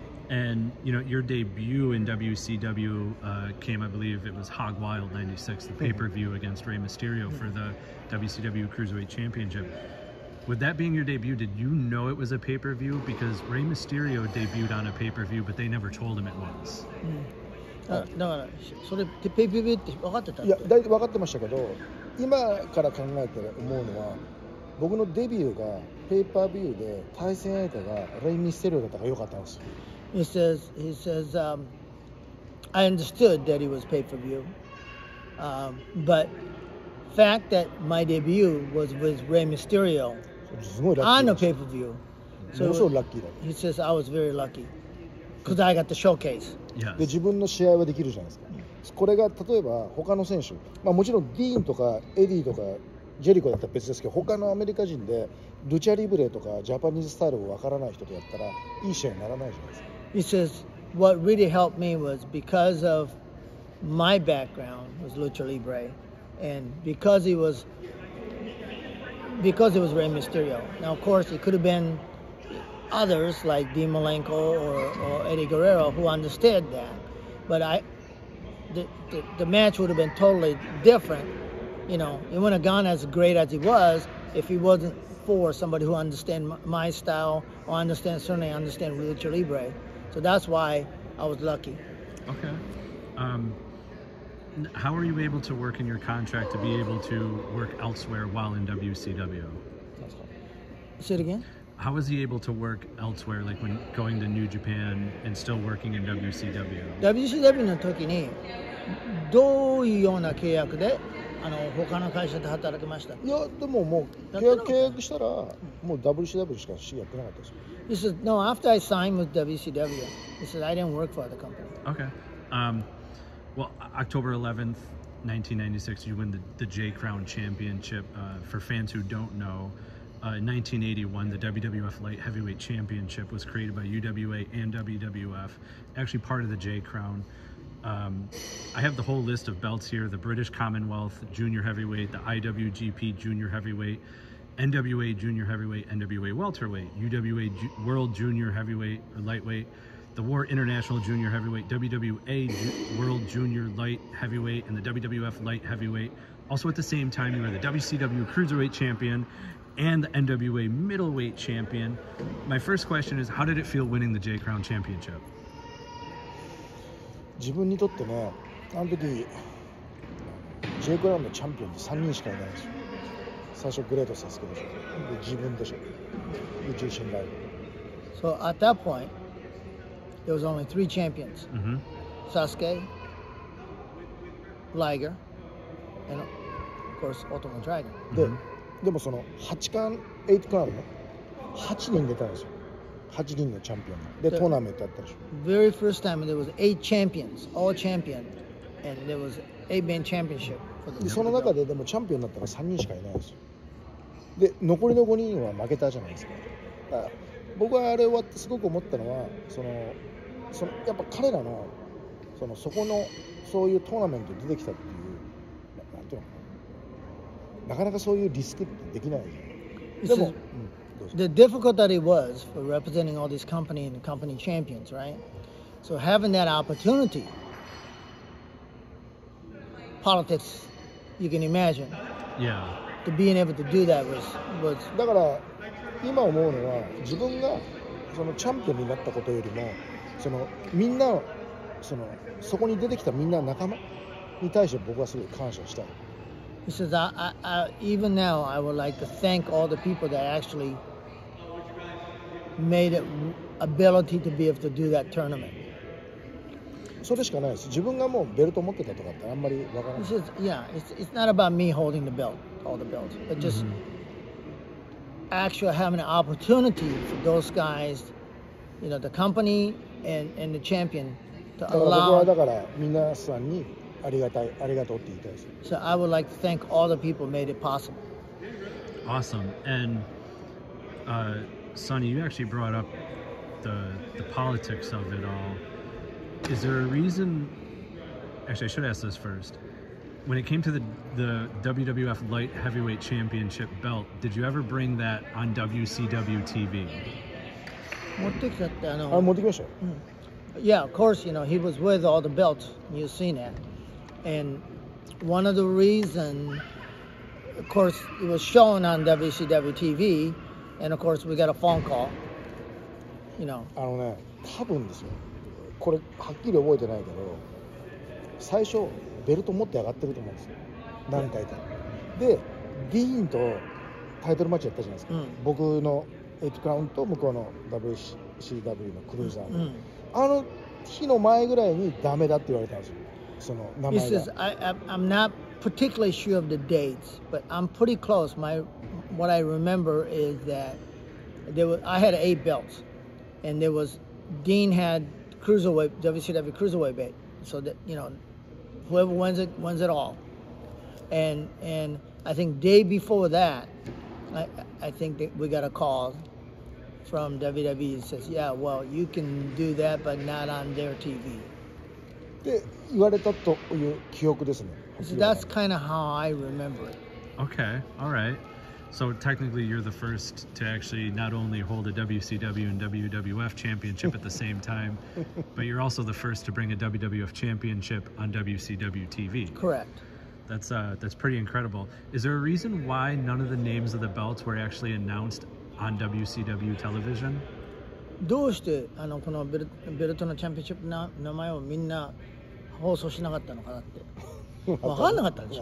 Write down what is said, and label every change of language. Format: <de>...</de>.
<en>And you know, your debut in WCW came, I believe it was Hog Wild 96, the pay-per-view against Rey Mysterio for the WCW Cruiserweight Championship. With that being your debut, did you know it was a pay-per-view? Because Rey Mysterio debuted on a pay-per-view, but they never told him it was.</en> <ja>だからそれってペーペーペーって分かってた。いや、大体分かってましたけど、今から考えて思うのは、僕のデビューがペーパービューで対戦相手がレイ・ミステリオだったから良かったんですよ。</ja> <en>He says, I understood that he was pay-per-view, but fact that my debut was with Rey Mysterio on a pay-per-view, so was, lucky</en> <ja>だ。</ja> <en>He says I was very lucky. Because I got the showcase. Yes.</en> <ja>で自分の試合はできるじゃないですか。これが例えば他の選手、まあ、もちろんディーンとかエディとかジェリコだったら別ですけど、他のアメリカ人でルチャリブレとかジャパニーズスタイルをわからない人とやったらいい試合にならないじゃないですか。</ja> <en>He says, what really helped me was because of my background was Lucha Libre, and because he was Rey Mysterio. Now, of course, it could have beenothers like Dean Malenko or Eddie Guerrero who understood that, but the match would have been totally different. You know, it wouldn't have gone as great as it was if it wasn't for somebody who understand my style or understand Lucha Libre. So that's why I was lucky. Okay. How are you able to work in your contract to be able to work elsewhere while in WCW? Say it again? How was he able to work elsewhere, like when going to New Japan and still working in WCW?</en> <ja>WCW の時にどういうような契約で他の会社で働きました？いや、でももう契約したらもう WCW しかやってなかったです。</ja> <en>He said, no, after I signed with WCW, he said, I didn't work for the company. Okay. Well, October 11th, 1996, you win the J Crown Championship. For fans who don't know,in 1981, the WWF Light Heavyweight Championship was created by UWA and WWF, actually part of the J Crown. I have the whole list of belts here, the British Commonwealth Junior Heavyweight, the IWGP Junior Heavyweight, NWA Junior Heavyweight, NWA Welterweight, UWA World Junior Heavyweight, or Lightweight, the WAR International Junior Heavyweight, WWA World Junior Light Heavyweight, and the WWF Light Heavyweight. Also at the same time, you were the WCW Cruiserweight Champion,and the NWA middleweight champion. My first question is, how did it feel winning the J Crown Championship?</en> <ja>自分にとってね、あの時 J クラウンのチャンピオンで3人しかいないんですよ。最初グレートサスケでしょ。で自分でしょ。で、ジェイソン・ライド。</ja> <en>So at that point, there was only three champions. Sasuke, Liger, and of course, Ultimo Dragon.</en> <ja>でもその8冠、8クラブの8人出たんですよ。 8人のチャンピオンで、トーナメントあったでしょ。</ja> <en>Very first time there was 8 champions, all champion, and there was 8 man championship.</en> <ja>その中ででもチャンピオンになったら3人しかいないんですよ。で、残りの5人は負けたじゃないですか。だから僕はあれ終わってすごく思ったのは、そのやっぱ彼らの、そこのそういうトーナメント出てきたっていう、なんていうのかな。なかなかそういうリスクってできないじゃん。でも、</ja> <en>the difficulty that it was for representing all these company and company champions, right? So having that opportunity, politics, you can imagine. Yeah. To being able to do that was.</en> <ja>だから今思うのは自分がそのチャンピオンになったことよりもそのみんなそのそこに出てきたみんな仲間に対して僕はすごい感謝したい。</ja> <en>He says, I, even now, I would like to thank all the people that actually made it ability to be able to do that tournament.</en> <ja>それしかないです。自分がもうベルト持ってたとかってあんまりわからない。</ja> <en>He says, yeah, it's not about me holding the belt, all the belts, but just mm-hmm. actually having an opportunity for those guys, you know, the company and the champion to allow...</en> <ja>だから僕はだから皆さんに、ありがたい、ありがとうって言いたいです。</ja> <en>So I would like to thank all the people made it possible. Awesome. And Sonny, you actually brought up the politics of it all. Is there a reason... Actually, I should ask this first. When it came to the WWF Light Heavyweight Championship belt, did you ever bring that on WCW TV?</en> <ja>持ってきちゃったの。あ、持ってきましょう。</ja> <en>Yeah, of course, you know, he was with all the belts. You've seen that. And one of the reason, of course, it was shown on WCW TV, and of course we got a phone call. You know.</en> <ja>あのね、多分ですよ。これはっきり覚えてないけど、最初ベルト持って上がってると思うんですよ。何回か。で、ディーンとタイトルマッチやったじゃないですか。僕のエイトクラウンと向こうの WCW のクルーザー。あの日の前ぐらいにダメだって言われたんですよ。</ja> <en>He says, I'm not particularly sure of the dates, but I'm pretty close. What I remember is that I had 8 belts, and there was Dean had cruiserweight, WCW cruiserweight belt, so that, you know, whoever wins it all. And I think day before that, I think that we got a call from WWE and says, yeah, well, you can do that, but not on their TV.</en> <ja>って言われたという記憶ですね。</ja> <en>So、that's kind of how I remember it. Okay, all right. So technically, you're the first to actually not only hold a WCW and WWF championship at the same time, but you're also the first to bring a WWF championship on WCW TV. Correct. That's pretty incredible. Is there a reason why none of the names of the belts were actually announced on WCW television?</en> <ja>どうしてあのこのベルトのチャンピオンシップの名前をみんな放送しなかったのかなって分かんなかったでしょ。</ja>